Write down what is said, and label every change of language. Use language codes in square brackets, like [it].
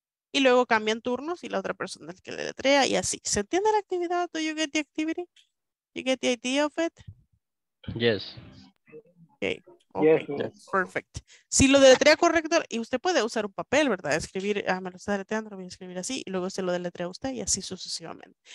[es] Y luego cambian turnos y la otra persona es el que le deletrea y así. ¿Se entiende la actividad? [en] Do you get the activity? You get the idea of it? Yes. Okay. Yes. Perfect. [es] Si lo deletrea correcto, y usted puede usar un papel, ¿verdad? Escribir, ah, me lo está deletreando, lo voy a escribir así, y luego se lo deletrea usted y así sucesivamente.